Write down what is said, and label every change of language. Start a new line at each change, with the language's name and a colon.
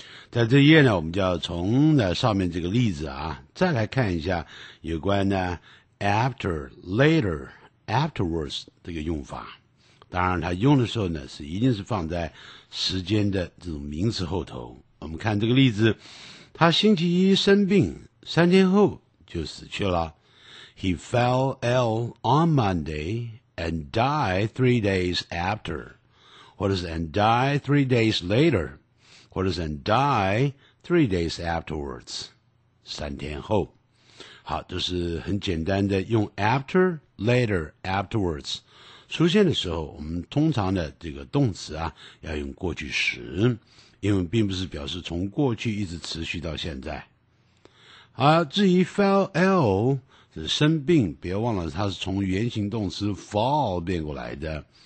Chinese: 在这一页呢，我们就要从上面这个例子啊，再来看一下有关呢 after, later, afterwards 这个用法。当然它用的时候呢，是一定是放在时间的这种名词后头。我们看这个例子，他星期一生病，三天后就死去了。
English: He fell ill on Monday and died 3 days after. What is and die 3 days later? What is and die 3 days afterwards?
Chinese: 三天后。好，这是很简单的用 after, later, afterwards。出现的时候，我们通常的这个动词啊，要用过去时，因为并不是表示从过去一直持续到现在。好，至于 fell ill,是生病，别忘了它是从原形动词 fall 变过来的。